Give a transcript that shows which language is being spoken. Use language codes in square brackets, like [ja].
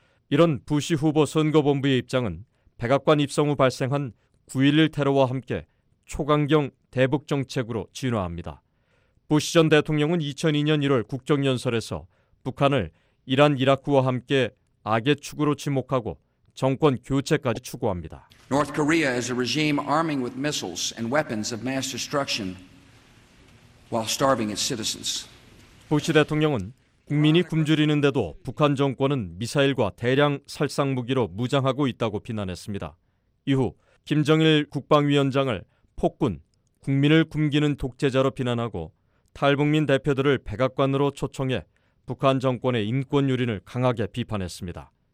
[ko] 이런 부시 후보 선거본부의 입장은 백악관 입성 후 발생한 9.11 테러와 함께 초강경 대북 정책으로 진화합니다. 부시 전 대통령은 2002년 1월 국정연설에서 북한을 이란 이라크와 함께 악의 축으로 지목하고 정권 교체까지 추구합니다. [en] North Korea is a regime arming with missiles and weapons of mass destruction while starving its citizens. [ko] 부시 대통령은 국민이 굶주리는데도 북한 정권은 미사일과 대량 살상 무기로 무장하고 있다고 비난했습니다. 이후 김정일 국방위원장을 폭군, 국민을 굶기는 독재자로 비난하고 탈북민 대표들을 백악관으로 초청해 북한 정권의 인권 유린을 강하게 비판했습니다.